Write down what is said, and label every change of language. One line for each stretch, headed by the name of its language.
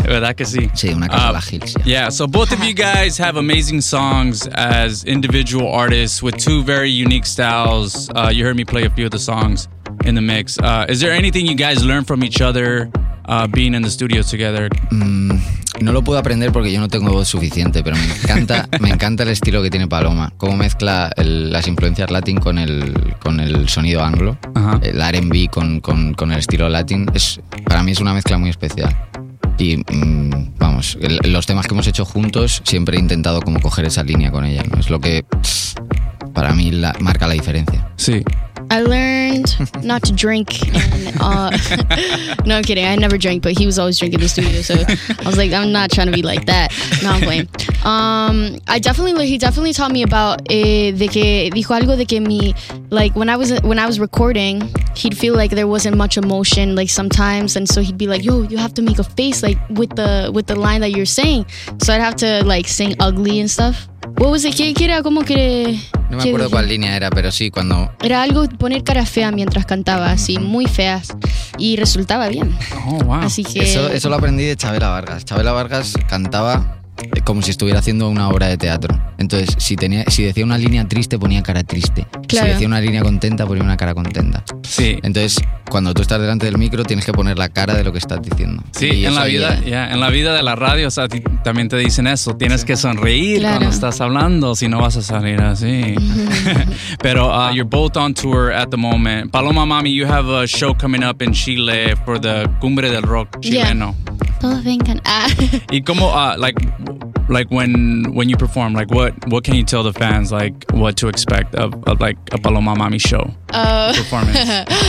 Spanish: ¿Verdad que sí? Sí, una casa la Hills.
English: Yeah, so both of you guys have amazing songs as individual artists with two very unique styles. You heard me play a few of the songs in the mix. Is there anything you guys learned from each other being in the studio together?
Spanish: No lo puedo aprender porque yo no tengo voz suficiente, pero me encanta el estilo que tiene Paloma. Cómo mezcla las influencias latín con el sonido anglo, el R&B con el estilo latín. Para mí es una mezcla muy especial. Y vamos, los temas que hemos hecho juntos siempre he intentado como coger esa línea con ella, ¿no? Es lo que para mí marca la diferencia. Sí.
English: I learned not to drink. No, I'm kidding. I never drank, but he was always drinking in the studio. So I was like, I'm not trying to be like that. No, I'm playing. He definitely taught me about
Spanish: de que dijo algo de que me,
English: like when I was recording, he'd feel like there wasn't much emotion, like sometimes, and so he'd be like, yo, you have to make a face like with the line that you're saying. So I'd have to like sing ugly and stuff. What was it?
Spanish: ¿Qué era? ¿Cómo que...? No me acuerdo cuál línea era, pero sí, cuando... Era algo de poner cara fea mientras cantaba, así, muy feas. Y resultaba bien. Oh, wow. Así que... Eso lo aprendí de Chavela Vargas. Chavela Vargas cantaba como si estuviera haciendo una obra de teatro. Entonces, si decía una línea triste, ponía cara triste. Claro. Si decía una línea contenta, ponía una cara contenta. Sí. Entonces, cuando tú estás delante del micro, tienes que poner la cara de lo que estás diciendo. Sí, y en la vida, yeah, en la vida de la radio, o sea, también te dicen eso. Tienes que sonreír, claro, cuando estás hablando, si no vas a salir así.
English: Pero you're both on tour at the moment. Paloma Mami, you have a show coming up in Chile for the Cumbre del Rock chileno.
Spanish: Yeah. Todos vengan. Y cómo,
English: like when you perform, like what can you tell the fans, like what to expect of like a Paloma Mami show performance?